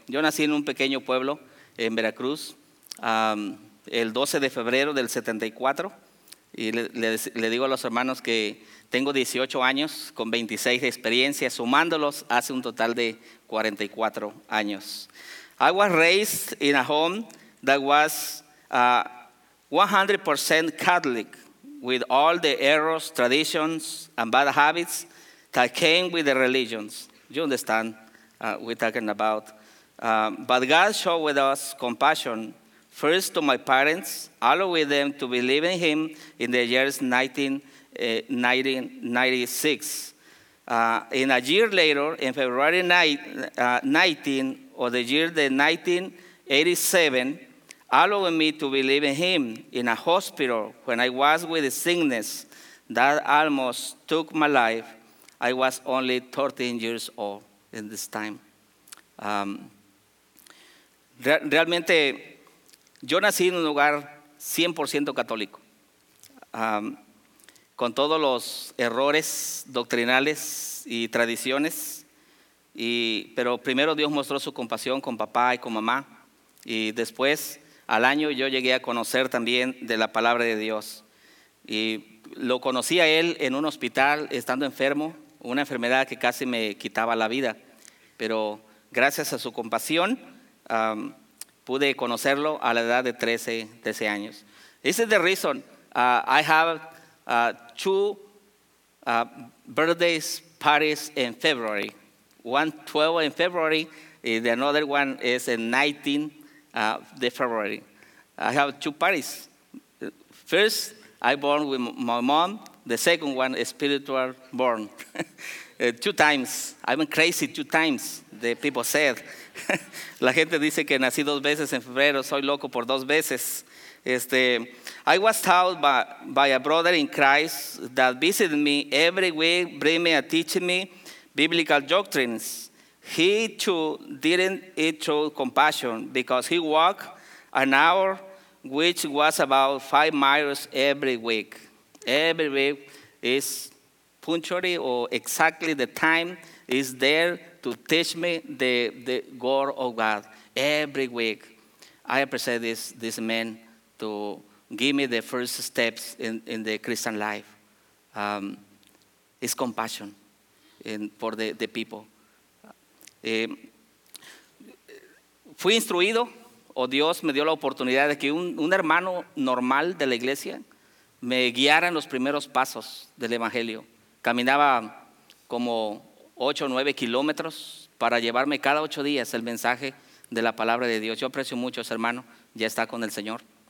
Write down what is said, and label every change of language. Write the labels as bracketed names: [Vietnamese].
[Spanish] Yo nací en un pequeño pueblo en Veracruz el 12 de febrero del 74. Y le digo a los hermanos que tengo 18 años con 26 de experiencia, sumándolos hace un total de 44 años. [English] I was raised in a home that was 100% Catholic, with all the errors, traditions, and bad habits that came with the religions. You understand what we're talking about. But God showed with us compassion, first to my parents, allowing them to believe in him in the years 1996. In a year later, in February 19 of the year 1987, allowing me to believe in him in a hospital when I was with a sickness that almost took my life. I was only 13 years old in this time. [Spanish] Realmente, yo nací en un hogar 100% católico, con todos los errores doctrinales y tradiciones, pero primero Dios mostró su compasión con papá y con mamá, y después, al año, yo llegué a conocer también de la palabra de Dios. Y lo conocí a él en un hospital, estando enfermo, una enfermedad que casi me quitaba la vida, pero gracias a su compasión, pude conocerlo a la edad de 13 años. [English] This is the reason I have two birthday parties in February. One 12 in February, and another one is in 19 de February. I have two parties. First, I born with my mom. The second one, spiritual born. Two times. I'm crazy two times, the people said. [Spanish] La gente dice que nací dos veces en febrero, soy loco por dos veces. [English] I was taught by a brother in Christ that visited me every week, bring me and teaching me biblical doctrines. He too didn't eat through compassion because he walked an hour, which was about 5 miles every week. Every week is punctually or exactly the time is there to teach me the word of God. Every week, I appreciate this man to give me the first steps in the Christian life. It's compassion for the people. [Spanish] Fui instruido, o Dios me dio la oportunidad de que un hermano normal de la iglesia me guiara en los primeros pasos del evangelio. Caminaba como 8 o 9 kilómetros para llevarme cada 8 días el mensaje de la palabra de Dios. Yo aprecio mucho a ese hermano, ya está con el Señor.